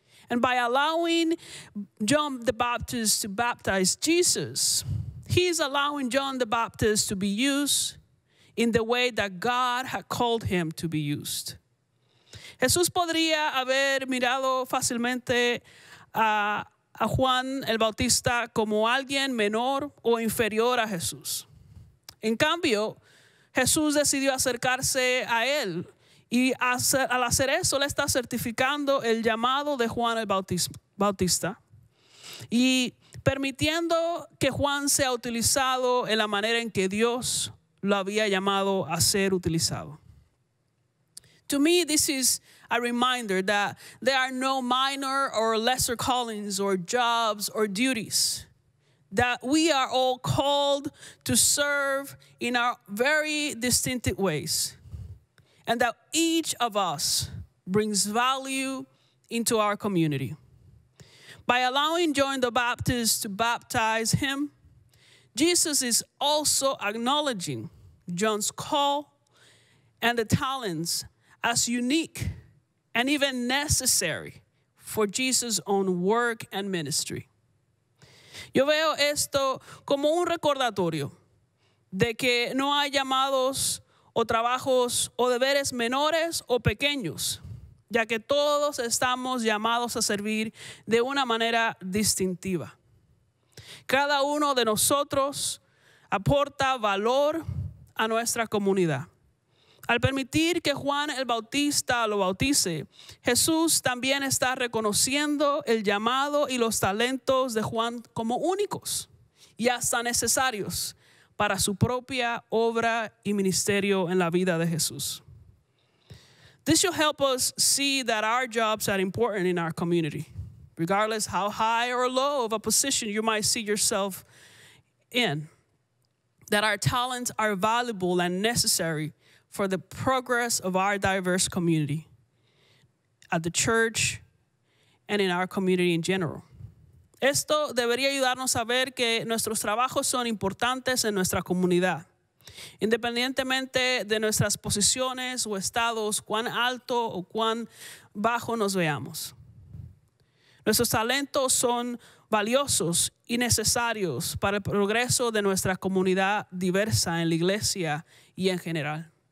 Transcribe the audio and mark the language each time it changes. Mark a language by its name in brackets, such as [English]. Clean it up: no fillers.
[English] And by allowing John the Baptist to baptize Jesus, he's allowing John the Baptist to be used in the way that God had called him to be used. [Spanish] Jesús podría haber mirado fácilmente a Juan el Bautista como alguien menor o inferior a Jesús. En cambio, Jesús decidió acercarse a él, y al hacer eso le está certificando el llamado de Juan el Bautista y permitiendo que Juan sea utilizado en la manera en que Dios lo había llamado a ser utilizado. [English] To me, this is a reminder that there are no minor or lesser callings or jobs or duties, that we are all called to serve in our very distinctive ways, and that each of us brings value into our community. By allowing John the Baptist to baptize him, Jesus is also acknowledging John's call and the talents as unique and even necessary for Jesus' own work and ministry. [Spanish] Yo veo esto como un recordatorio de que no hay llamados o trabajos o deberes menores o pequeños, ya que todos estamos llamados a servir de una manera distintiva. Cada uno de nosotros aporta valor a nuestra comunidad. Al permitir que Juan el Bautista lo bautice, Jesús también está reconociendo el llamado y los talentos de Juan como únicos y hasta necesarios para su propia obra y ministerio en la vida de Jesús. [English] This should help us see that our jobs are important in our community, regardless how high or low of a position you might see yourself in, that our talents are valuable and necessary for the progress of our diverse community, at the church, and in our community in general. [Spanish] Esto debería ayudarnos a ver que nuestros trabajos son importantes en nuestra comunidad. Independientemente de nuestras posiciones o estados, cuán alto o cuán bajo nos veamos. Nuestros talentos son valiosos y necesarios para el progreso de nuestra comunidad diversa en la iglesia y en general.